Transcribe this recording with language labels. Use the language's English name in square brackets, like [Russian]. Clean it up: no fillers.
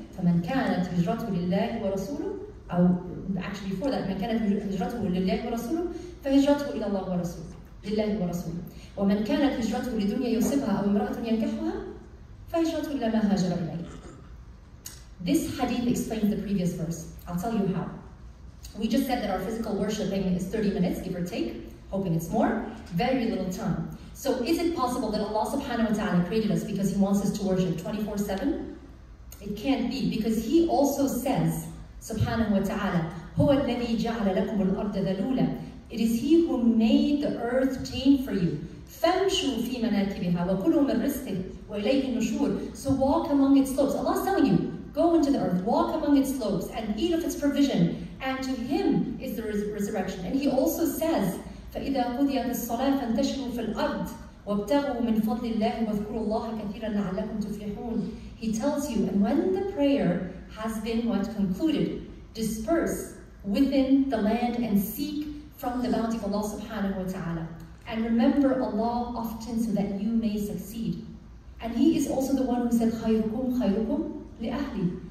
[Arabic] فَمَنْ كَانَتْ هِجْرَتُهُ لِلَّهِ وَرَسُولُهُ, [English] or actually before that, [Arabic] مَنْ كَانَتْ هِجْرَتُهُ لِلَّهِ وَرَسُولُهُ فَهِجْرَتُهُ إِلَى اللَّهِ وَرَسُولُهُ لِلَّهِ وَرَسُولُهُ وَمَنْ كَانَتْ هِجْرَتُهُ لِدُنْيَا يُصِبْهَا أَوْ امْرَأَةٌ يَنْكِحُهَا فَهِجْرَتُهُ إِلَى مَا هَاجَرَ إِلَيْهِ. [English] This hadith explains the previous verse. I'll tell you how. We just said that our physical worshiping is 30 minutes, give or take, hoping it's more, very little time. So is it possible that Allah subhanahu wa ta'ala created us because he wants us to worship 24/7? It can't be, because he also says, subhanahu wa ta'ala, [Arabic] هُوَ الَّذِي جَعْلَ لَكُمُ الْأَرْضَ ذَلُولًا. [English] It is he who made the earth tame for you. [Arabic] فَمْشُوا فِي مَنَاكِبِهَا وَكُلُوا مِنْ رِزْقِهِ وَإِلَيْهِ النُّشُورُ. [English] So walk among its slopes. Allah's telling you, go into the earth, walk among its slopes, and eat of its provision. And to him is the resurrection. And he also says, [Arabic] فَإِذَا قُضِيَتِ الصَّلَاةُ فَانْتَشِرُوا فِي الْأَرْضِ وَابْتَغُوا مِنْ فَضْلِ اللَّهِ وَاذْكُرُوا اللَّهَ كَثِيرًا لَعَلَّكُمْ تُفْلِحُونَ. [English] He tells you, and when the prayer has been what concluded, disperse within the land and seek from the bounty of Allah subhanahu wa ta'ala. And remember Allah often so that you may succeed. And he is also the one who said, [Arabic] خَيْرُكُمْ خَيْرُكُمْ لِأَهْلِ.